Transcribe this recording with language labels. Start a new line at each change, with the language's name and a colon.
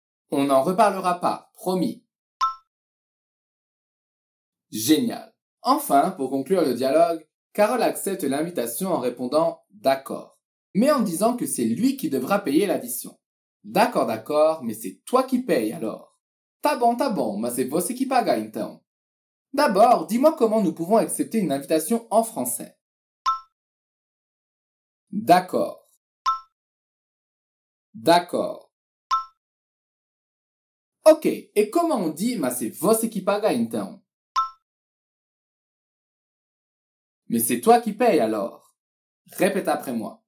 French: On n'en reparlera pas, promis. Génial. Enfin, pour conclure le dialogue, Carole accepte l'invitation en répondant « d'accord », mais en disant que c'est lui qui devra payer l'addition. D'accord, d'accord, mais c'est toi qui payes alors.
Portuguese: Tá bom, mas é você que paga então.
French: D'abord, dis-moi comment nous pouvons accepter une invitation en français. D'accord. D'accord. Ok, et comment on dit « mas c'est
Portuguese: você qui paga então
French: » Mais c'est toi qui payes alors. Répète après moi.